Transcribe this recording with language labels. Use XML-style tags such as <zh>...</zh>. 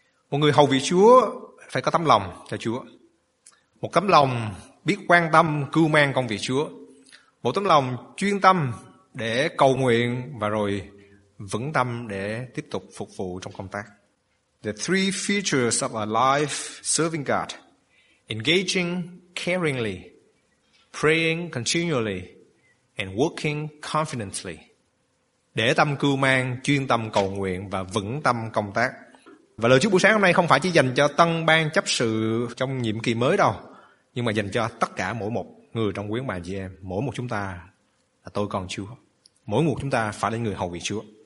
<vi>Một người hầu vị Chúa phải có tấm lòng cho Chúa. Một tấm lòng biết quan tâm, cưu mang công việc Chúa. Một tấm lòng chuyên tâm để cầu nguyện và rồi vững tâm để tiếp tục phục vụ trong công tác.</vi> <en>The three features of a life serving God: engaging caringly, praying continually, and working confidently.</en> <vi>Để tâm cưu mang, chuyên tâm cầu nguyện và vững tâm công tác. Và lời Chúa buổi sáng hôm nay không phải chỉ dành cho tân ban chấp sự trong nhiệm kỳ mới đâu, nhưng mà dành cho tất cả mỗi một người trong quyến bạn chị em. Mỗi một chúng ta là tôi con Chúa, mỗi một chúng ta phải là người hầu vị Chúa.</vi>